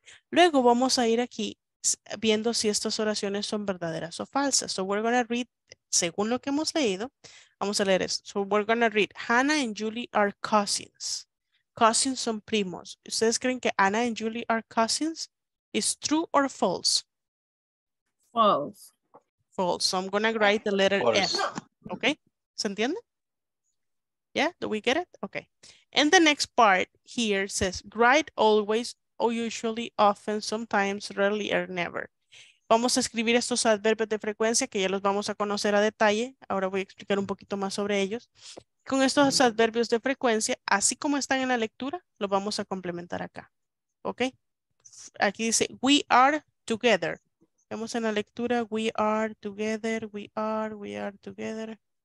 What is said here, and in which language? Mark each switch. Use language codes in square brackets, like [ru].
[es] Luego vamos a ir aquí viendo si estas oraciones son verdaderas o falsas. [en] So we're going to read, [es] según lo que hemos leído, vamos a leer esto. [en] So we're going to read, Hannah and Julie are cousins. [es] Cousins son primos. ¿Ustedes creen que [en] Anna and Julie are cousins? Is true or false? False. False. So I'm going to write the letter F. Okay. [es] ¿Se entiende? [en] Yeah. Do we get it? Okay. And the next part here says, write always, or usually, often, sometimes, rarely, or never. [es] Vamos a escribir estos adverbios de frecuencia que ya los vamos a conocer a detalle. Ahora voy a explicar un poquito más sobre ellos. Con estos adverbios de frecuencia, así como están en la lectura, los vamos a complementar acá. ¿Ok? aquí dice [en] we are together. [es] Vemos en la lectura [en] we are together, we are together.